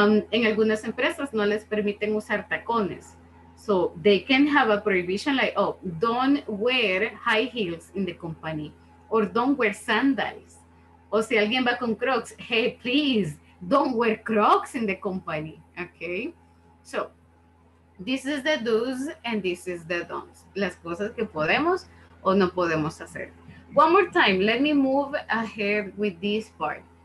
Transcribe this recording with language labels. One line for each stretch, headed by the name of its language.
Spanish: En algunas empresas no les permiten usar tacones.
English: So they can have a prohibition like, oh, don't wear high heels in the company or don't wear sandals.
Spanish: O si alguien va con
English: Crocs, hey, please, don't wear Crocs in the company, okay? So this is the do's and this is the don'ts.
Spanish: Las cosas que podemos o no podemos hacer.
English: One more time, let me move ahead with this part.